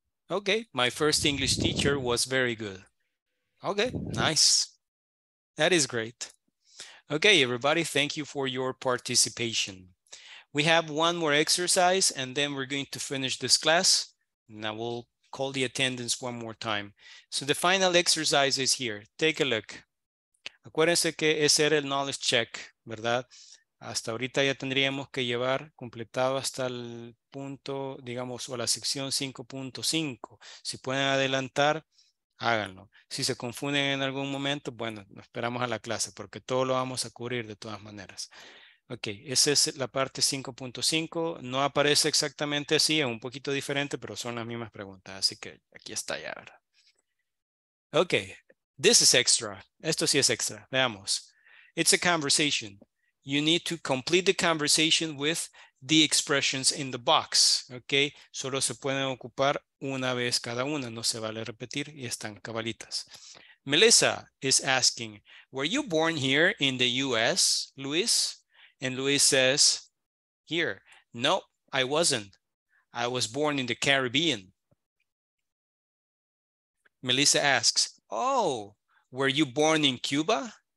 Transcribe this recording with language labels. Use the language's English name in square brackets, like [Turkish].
[English] Okay, my first English teacher was very good. Okay, nice. That is great. Okay, everybody, thank you for your participation. We have one more exercise and then we're going to finish this class. Now we'll call the attendance one more time. So the final exercise is here. Take a look. [Spanish] Acuérdense que ese era el knowledge check, ¿verdad? Hasta ahorita ya tendríamos que llevar completado hasta el punto, digamos, o la sección 5.5. Si pueden adelantar, háganlo. Si se confunden en algún momento, bueno, nos esperamos a la clase porque todo lo vamos a cubrir de todas maneras. Ok, esa es la parte 5.5. No aparece exactamente así, es un poquito diferente, pero son las mismas preguntas. Así que aquí está ya. Ok, [English] this is extra. [Spanish] Esto sí es extra. Veamos. [English] It's a conversation. You need to complete the conversation with the expressions in the box. [Spanish] Ok, solo se pueden ocupar una vez cada una. No se vale repetir y están cabalitas. [English] Melissa is asking, were you born here in the US, Luis? And Luis says, here, no, I wasn't. I was born in the Caribbean. Melissa asks, oh, were you born in Cuba?